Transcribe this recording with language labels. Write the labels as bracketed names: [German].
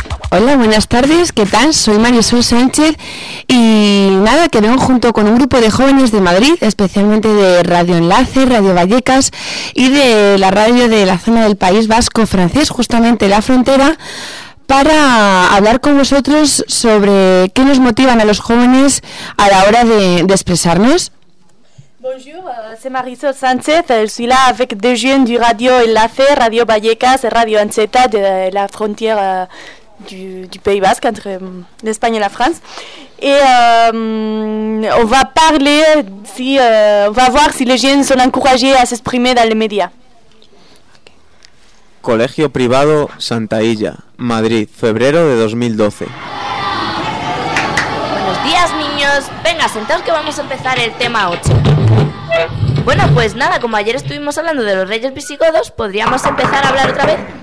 [Spanish] Hola, buenas tardes, ¿qué tal? Soy Marisol Sánchez y nada, que vengo junto con un grupo de jóvenes de Madrid, especialmente de Radio Enlace, Radio Vallecas y de la radio de la zona del País Vasco francés, justamente la frontera, para hablar con vosotros sobre qué nos motivan a los jóvenes a la hora de expresarnos. [French] Bonjour, c'est Marisol Sánchez, je suis là avec des jeunes du Radio Enlace, Radio Vallecas, Radio Anceta de la frontière du Pays Basque, entre l'Espagne et la France. Et on va parler, on va voir si les jeunes sont encouragés à s'exprimer dans les médias. [Spanish] Colegio privado Santa Illa, Madrid, febrero de 2012. Buenos días, niños. Venga, sentaos que vamos a empezar el tema 8. Bueno, pues nada, como ayer estuvimos hablando de los reyes visigodos, podríamos empezar a hablar otra vez.